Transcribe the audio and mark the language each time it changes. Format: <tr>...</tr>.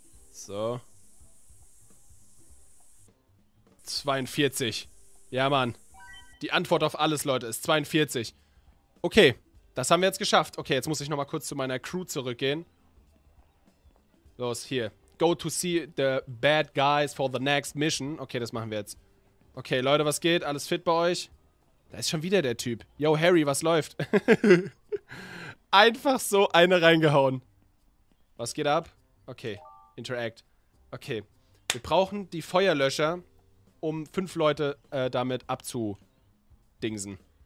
<de>So. 42. Ja, Mann. Die Antwort auf alles, Leute, ist 42. Okay, das haben wir jetzt geschafft. Okay, jetzt muss ich nochmal kurz zu meiner Crew zurückgehen. Los, hier.</de> <en>Go to see the bad guys for the next mission.</en> <de>Okay, das machen wir jetzt. Okay, Leute, was geht? Alles fit bei euch? Da ist schon wieder der Typ. Yo, Harry, was läuft? Einfach so eine reingehauen. Was geht ab? Okay, interact. Okay, wir brauchen die Feuerlöscher, um 5 Leute damit abzudingsen.</de>